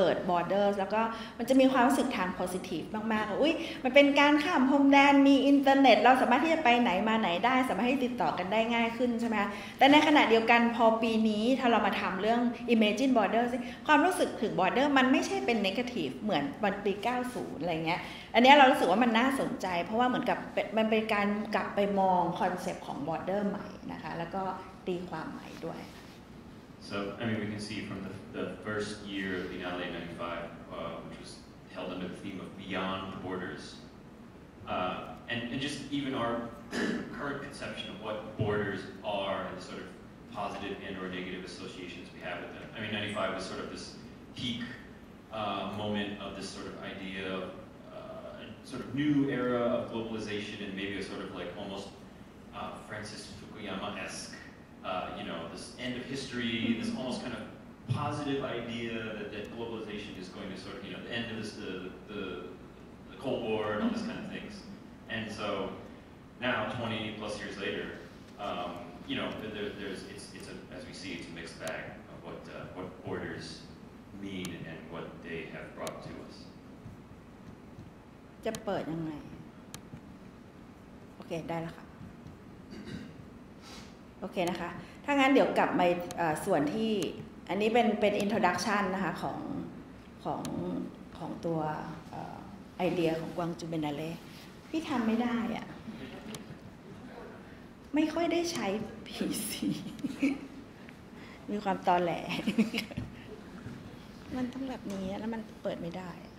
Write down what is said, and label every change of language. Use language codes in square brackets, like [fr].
[th] borders แล้วก็มันจะมีความรู้สึกทาง positive มากๆอุ๊ยมันเป็นการข้ามพรมแดนมีอินเทอร์เน็ตเราสามารถที่จะไปไหนมาไหนได้สามารถให้ติดต่อกันได้ง่ายขึ้นใช่ไหมแต่ในขณะเดียวกันพอปีนี้ถ้าเรามาทำเรื่อง [en] imagine borders [th] ความรู้สึกถึง border มันไม่ใช่เป็น negative เหมือนวันปี90อะไรเงี้ยอันนี้เรารู้สึกว่ามันน่าสนใจเพราะว่าเหมือนกับมันเป็นการกลับไปมองคอนเซปต์ของบอร์เดอร์ใหม่นะคะแล้วก็ตีความใหม่ด้วย [en] So I mean we can see from the first year of Biennale 95 which was held under the theme of Beyond Borders and just even our current conception of what borders are and sort of positive and or negative associations we have with them I mean 95 was sort of this peak moment of this sort of idea ofSort of new era of globalization and maybe a sort of like almost Francis Fukuyama-esque, you know, this end of history, this almost kind of positive idea that globalization is going to sort of, you know, the end of this, the Cold War and all these kind of things. And so now 20 plus years later, you know, there's, it's a, as we see, it's a mixed bag of what borders mean and what they have brought to us. [th] จะเปิดยังไงโอเคได้แล้วค่ะโอเคนะคะถ้างั้นเดี๋ยวกลับไปส่วนที่อันนี้เป็นอินโทรดักชันนะคะของตัวไอเดียของกวางจูเบนนาเล่พี่ทำไม่ได้อ่ะไม่ค่อยได้ใช้ PC มีความตอแหลมันต้องแบบนี้แล้วมันเปิดไม่ได้